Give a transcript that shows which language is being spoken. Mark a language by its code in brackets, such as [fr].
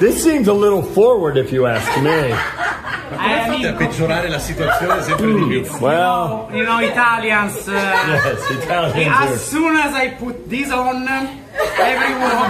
[en] This seems a little forward, if you ask me. [it] Ma come fate a peggiorare la situazione sempre di più? [en] Well, you know, Italians. Yes, Italians. As soon as I put this on, everyone